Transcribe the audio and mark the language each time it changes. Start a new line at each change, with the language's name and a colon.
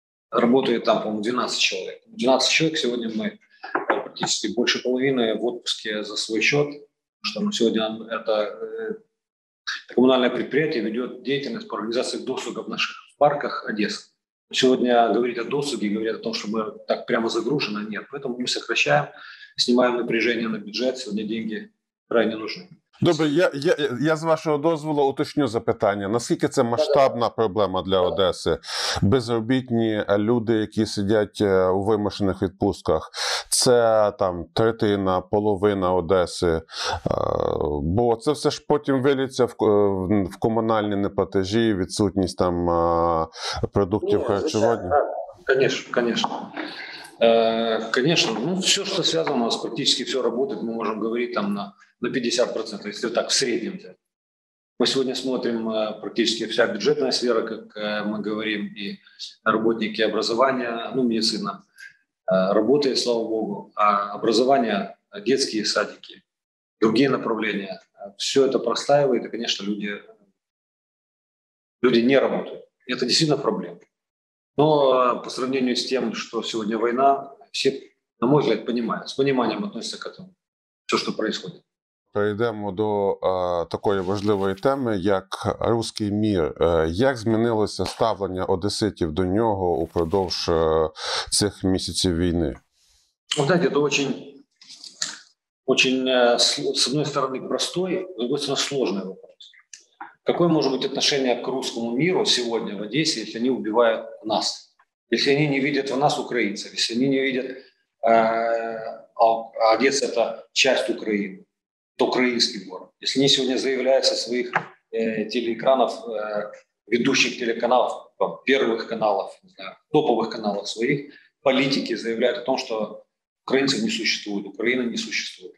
Russian: Работает там, по-моему, 12 человек. 12 человек сегодня мы практически больше половины в отпуске за свой счет, потому что сегодня это коммунальное предприятие ведет деятельность по организации досуга в наших парках Одессы. Сегодня говорит о досуге, говорят о том, что мы так прямо загружены, нет. Поэтому мы сокращаем, снимаем напряжение на бюджет, сегодня деньги крайне нужны.
Ukrainian: Добре, я з вашого дозволу уточню запитання. Наскільки це масштабна проблема для Одеси? Безробітні люди, які сидять у вимушених відпустках, це там третина, половина Одеси, бо це все ж потім виліться в комунальні неплатежі, відсутність там продуктів харчування. Звісно.
Russian: Конечно, ну все, что связано, у нас практически все работает, мы можем говорить там на 50%, если так в среднем. Мы сегодня смотрим практически вся бюджетная сфера, как мы говорим, и работники образования, ну медицина работает, слава богу, а образование, детские садики, другие направления, все это простаивает, и, конечно, люди не работают. И это действительно проблема. Но по сравнению с тем, что сегодня война, все, на мой взгляд, понимают, с пониманием относятся к этому, все, что происходит.
Ukrainian: Перейдемо до такої важливої теми, як «Руський мір». Як змінилося ставлення одеситів до нього упродовж цих місяців війни? Знаєте, це дуже, дуже, з одної сторони, простий, з іншої сторони, складний питання.
Russian: Какое может быть отношение к русскому миру сегодня в Одессе, если они убивают нас? Если они не видят в нас украинцев, если они не видят, а Одесса – это часть Украины, это украинский город. Если они сегодня заявляют со своих телеэкранов, ведущих телеканалов, первых каналов, не знаю, топовых каналов своих, политики заявляют о том, что украинцев не существует, Украина не существует.